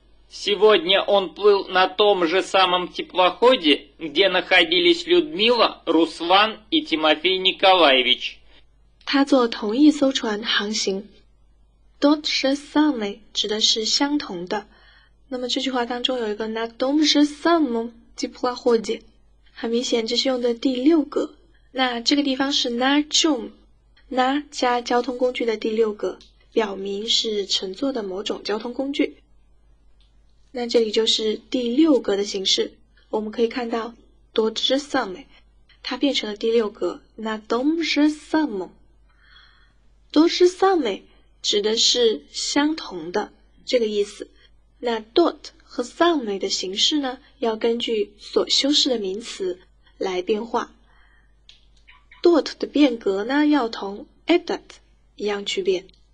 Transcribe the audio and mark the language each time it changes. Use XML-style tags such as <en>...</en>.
<ru>Сегодня он плыл на том же самом теплоходе, где находились Людмила, Руслан и Тимофей Николаевич.</ru> <zh>他坐同一艘船航行。</zh> <ru>Тот же самый</ru> <zh>指的是相同的。那么这句话当中有一个</zh> <ru>на том же самом теплоходе。</ru> <zh>很明显这是用的第六个。那这个地方是</zh> <ru>на чем。</ru> <zh>那加交通工具的第六个。表明是乘坐的某种交通工具，那这里就是第六格的形式。我们可以看到</zh> <ru>тот же самый，</ru> <zh>它变成了第六格</zh> <ru>на том же самом。 тот же самый</ru> <zh>指的是相同的这个意思。那 тот 和 самый 的形式呢，要根据所修饰的名词来变化。 тот 的变格呢，要同 этот 一样去变。</zh>